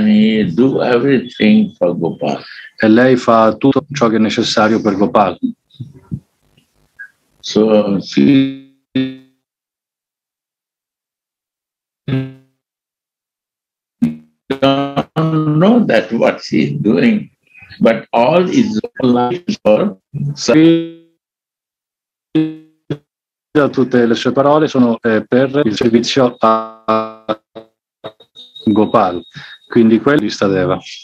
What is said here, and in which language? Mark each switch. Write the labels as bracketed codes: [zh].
[it] E lei fa tutto ciò che è necessario per Gopal. [en] So she don't know that what she is doing, but all is for service. [it] Tutte le sue parole sono per il servizio a Gopal, quindi quelli stadeva.